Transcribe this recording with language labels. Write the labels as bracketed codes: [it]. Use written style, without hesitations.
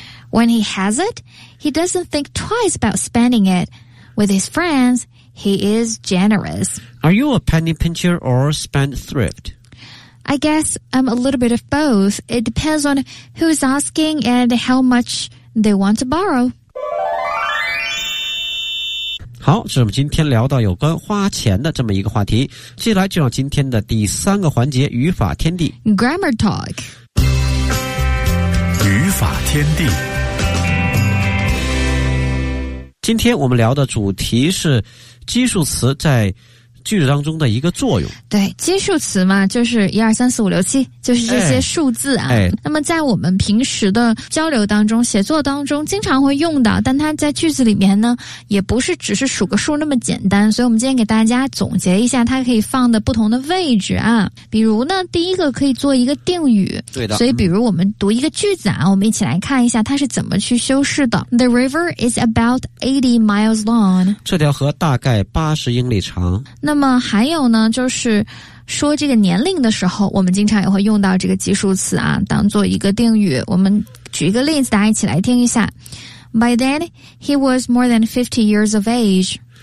[en] When he has it, he doesn't think twice about spending it. With his friends... He is generous. Are you a penny pincher or spendthrift? I guess I'm a little bit of both. It depends on who's asking and how much they want to borrow. [zh] 好，这是我们今天聊到有关花钱的这么一个话题。接下来就让今天的第三个环节，语法天地。 [en] Grammar Talk. [zh] 语法天地。今天我们聊的主题是基数词在句子当中的一个作用。对，基数词嘛，就是一二三四五六七，就是这些数字啊。哎，那么在我们平时的交流当中、写作当中，经常会用到，但它在句子里面呢，也不是只是数个数那么简单。所以我们今天给大家总结一下，它可以放的不同的位置啊。比如呢，第一个可以做一个定语。对的。所以，比如我们读一个句子啊，我们一起来看一下它是怎么去修饰的。 [en] The river is about 80 miles long。 [zh] 这条河大概80英里长。那么还有呢，就是说这个年龄的时候，我们经常也会用到这个基数词啊，当做一个定语。我们举一个例子，大家一起来听一下。 [en] By then, he was more than 50 years of age.